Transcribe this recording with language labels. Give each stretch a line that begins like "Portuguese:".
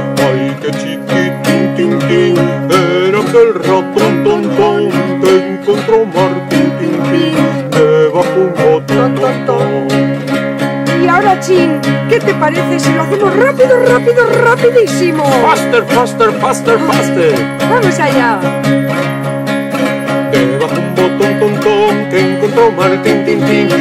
Spanish: Ay, qué chiquitín, tin, tin. Era aquel ratón, ton, ton, que encontró Martín, tin, tin. Debajo un botón, ton, ton. Y ahora, Chin, ¿qué te parece si lo hacemos rápido, rápido, rapidísimo?
English: Faster, faster, faster, faster.
Spanish: Vamos allá. Debajo un botón, ton, ton, que encontró Martín, tin, tin.